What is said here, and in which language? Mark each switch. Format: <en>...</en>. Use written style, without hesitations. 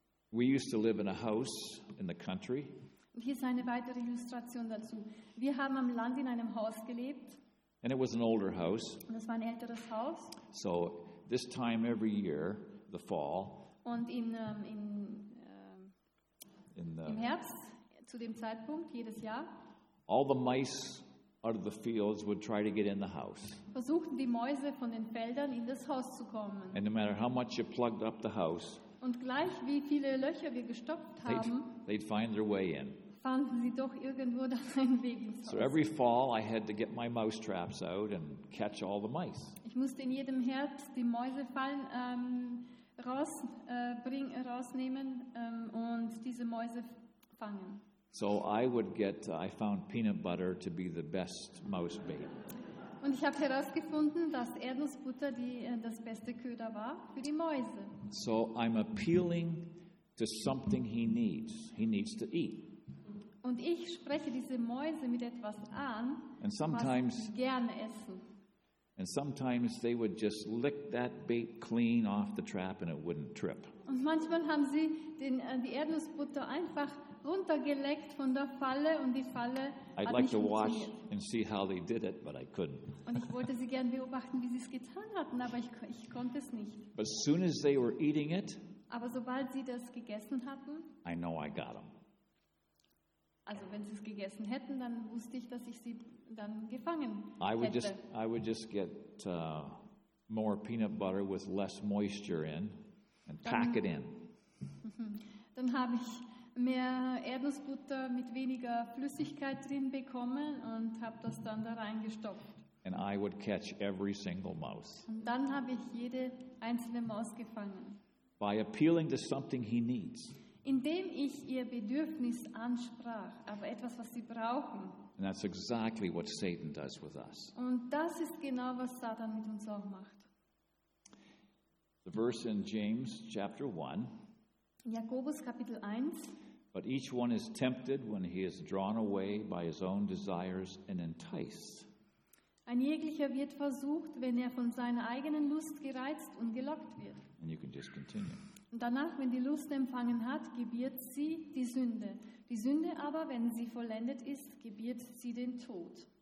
<en>We used to live in a house in the country.</en> <de>Und hier ist eine weitere Illustration dazu. Wir haben am Land in einem Haus gelebt.</de> <en>And it was an older house.</en> <de>Und das war ein älteres Haus.</de> <en>So this time every year, the fall.</en> <de>Und im Herbst, zu dem Zeitpunkt jedes Jahr.</de> <en>All the mice out of the fields would try to get in the house.</en> <de>Versuchten die Mäuse von den Feldern in das Haus zu kommen.</de> <en>And no matter how much you plugged up the house,</en> <de>und gleich wie viele Löcher wir gestopft haben,</de> <en>they'd find their way in.</en> <de>Fanden sie doch irgendwo da einen Weg ins Haus.</de> <en>So every fall I had to get my mouse traps out and catch all the mice.</en> <de>Ich musste in jedem Herbst die Mäusefallen rausnehmen und diese Mäuse fangen.</de> <en>So I found peanut butter to be the best mouse bait.</en> <de>Und ich habe herausgefunden, dass Erdnussbutter das beste Köder war für die Mäuse.</de> <en>So I'm appealing to something he needs. He needs to eat.</en> <de>Und ich spreche diese Mäuse mit etwas an, was sie gerne essen.</de> <en>And sometimes they would just lick that bait clean off the trap and it wouldn't trip.</en> <de>Und manchmal haben sie die Erdnussbutter einfach runtergeleckt von der Falle und die Falle</de> <en>I'd</en> <de>hat</de> <en>like</en> <de>nicht</de> <en>to watch and see how they did it, but I couldn't.</en> <de>Und ich wollte sie gern beobachten, wie sie es getan hatten, aber ich konnte es nicht.</de> <en>But as soon as they were eating it,</en> <de>aber sobald sie das gegessen hatten,</de> <en>I know I got them.</en> <de>Also wenn sie es gegessen hätten, dann wusste ich, dass ich sie dann gefangen hätte.</de> <en>I would just get more peanut butter with less moisture in and pack it in.</en> <de>Dann habe ich mehr Erdnussbutter mit weniger Flüssigkeit drin bekommen und habe das dann da reingestopft.</de> <en>And I would catch every single mouse.</en> <de>Und dann habe ich jede einzelne Maus gefangen.</de> <en>By appealing to something he needs.</en> <de>Indem ich ihr Bedürfnis ansprach, aber etwas, was sie brauchen.</de> <en>And that's exactly what Satan does with us.</en> <de>Und das ist genau, was Satan mit uns auch macht.</de> <en>The verse in James chapter 1.</en> <de>Jakobus Kapitel 1.</de> <en>But each one is tempted when he is drawn away by his own desires and enticed.</en> <de>Ein jeglicher wird versucht, wenn er von seiner eigenen Lust gereizt und gelockt wird.</de> <en>And you can just continue.</en> <de>Und danach, wenn die Lust empfangen hat, gebiert sie die Sünde. Die Sünde aber, wenn sie vollendet ist, gebiert sie den Tod.</de>